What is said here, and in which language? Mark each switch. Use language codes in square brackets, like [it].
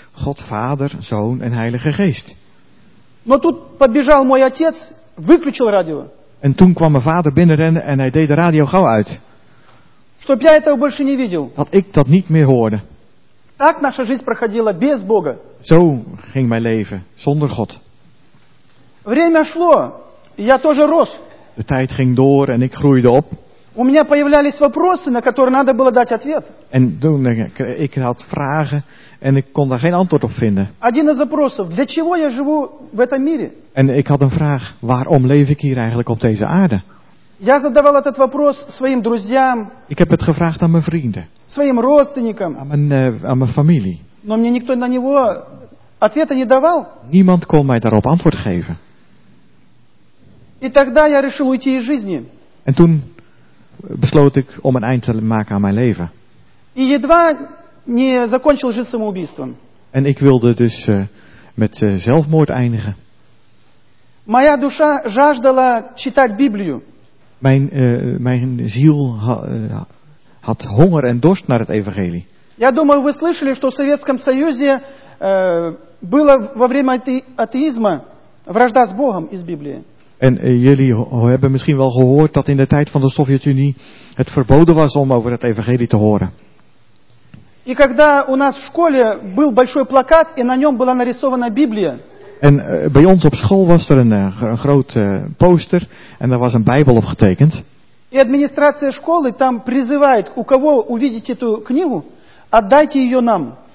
[nl] God, Vader, Zoon en Heilige Geest. [ru] Но тут подбежал мой отец, выключил радио. [nl] En toen kwam mijn vader binnenrennen en hij deed de radio gauw uit. [ru] Чтоб я этого больше не видел. [nl] Dat ik dat niet meer hoorde. [ru] Так наша жизнь проходила без Бога. [nl] Zo ging mijn leven, zonder God. [ru] Время шло, я тоже рос. [nl] De tijd ging door en ik groeide op. [ru] У меня появлялись вопросы, на которые надо было дать ответ. [nl] En toen ik had vragen en ik kon daar geen antwoord op vinden. [ru] Один из вопросов: для чего я живу в этом мире? [nl] En ik had een vraag: waarom leef ik hier eigenlijk op deze aarde? [ru] Я задавал этот вопрос своим друзьям. [nl] Ik heb het gevraagd aan mijn vrienden. [ru] Своим родственникам. [nl] Aan mijn familie. [ru] Но мне никто на него ответа не давал. [nl] Niemand kon mij daarop antwoord geven. [ru] И тогда я решил уйти из жизни. [nl] En toen besloot ik om een eind te maken aan mijn leven. [ru] И едва не закончил жизнь самоубийством. [nl] En ik wilde dus met zelfmoord eindigen. [ru] Моя душа жаждала читать Библию. [nl] Mijn ziel had honger en dorst naar het evangelie. [ru] Я думаю, вы слышали, что в Советском Союзе было во время атеизма вражда с Богом из Библии. [nl] En jullie hebben misschien wel gehoord dat in de tijd van de Sovjet-Unie het verboden was om over het evangelie te horen. [ru] И когда у нас в школе был большой плакат, и на нем была нарисована Библия. [nl] En bij ons op school was er een groot poster en daar was een Bijbel op getekend. [ru] И администрация школы там призывает, у кого увидеть эту книгу, отдайте ее нам.